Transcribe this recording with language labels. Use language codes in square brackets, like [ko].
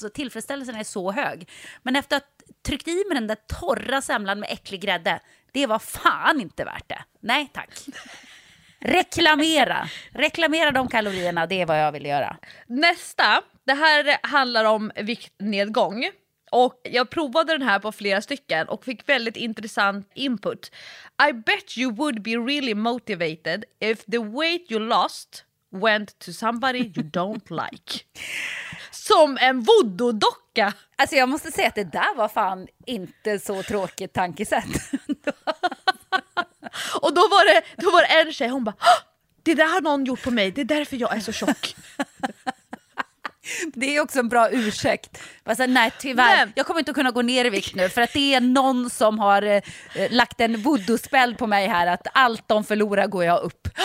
[sv] Så tillfredsställelsen är så hög. Men efter att tryckt i med den där torra semlan med äcklig grädde, det var fan inte värt det. Nej, tack. Reklamera de kalorierna, det är vad jag vill göra. Nästa, det här handlar om viktnedgång. Och jag provade den här på flera stycken och fick väldigt intressant input. [en] I bet you would be really motivated if the weight you lost went to somebody you don't like. [sv] Som en voodoo-docka. Alltså jag måste säga att det där var fan inte så tråkigt tankesätt. Och då var det en tjej, hon bara, det där har någon gjort på mig, det är därför jag är så tjock. Det är också en bra ursäkt. Alltså, nej, tyvärr, men jag kommer inte att kunna gå ner i vikt nu, för att det är någon som har lagt en voodoo-spel på mig här, att allt de förlorar går jag upp.